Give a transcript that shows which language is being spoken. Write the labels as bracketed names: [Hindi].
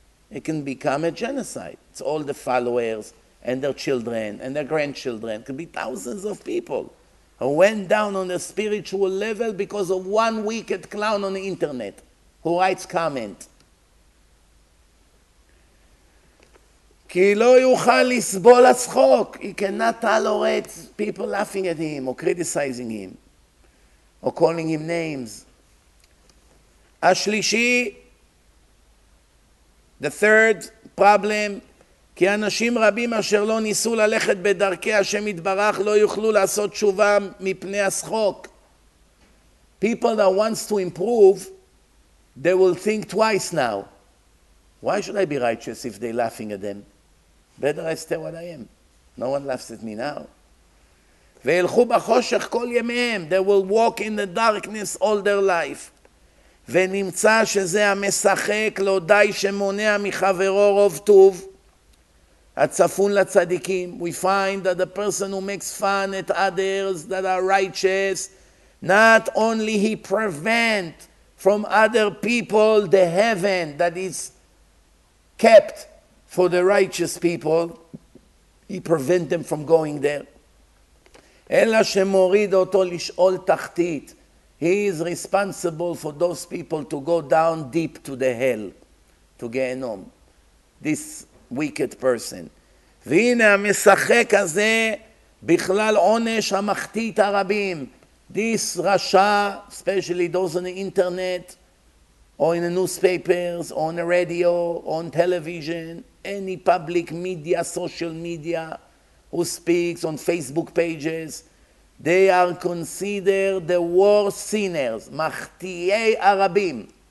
[English] It can become a genocide. It's all the followers and their children and their grandchildren. It could be thousands of people who went down on a spiritual level because of one wicked clown on the internet who writes comment. [Hebrew] כי לא יוכל לסבול הצחוק. [English] He cannot tolerate people laughing at him or criticizing him or calling him names. [Hebrew] השלישי, [English] the third problem, [Hebrew] כי אנשים רבים אשר לא ניסו ללכת בדרכי השם יתברך לא יוכלו לעשות תשובה מפני השחוק. [English] People that wants to improve, they will think twice now. Why should I be righteous if they're laughing at them? Better I stay what I am. No one laughs at me now. [Hebrew] והלכו בחושך כל ימיהם. [English] They will walk in the darkness all their life. [Hebrew] ונמצא שזה המשחק לא די שמונע מחברו רוב טוב. הצפון לצדיקים. [English] We find that the person who makes fun at others that are righteous, not only he prevent from other people the heaven that is kept for the righteous people, he prevent them from going there. [Hebrew] אלא שמוריד אותו לשאול תחתית. [English] He is responsible for those people to go down deep to the hell, to Gehenom, this wicked person. [Hebrew] והנה המשחק הזה בכלל עונש המחתית הרבים. [English] This Rasha, especially those on the internet, or in the newspapers, or on the radio, or on television, any public media, social media, who speaks on Facebook pages, they are considered the worst sinners, [Hebrew] מחתיי ערבים.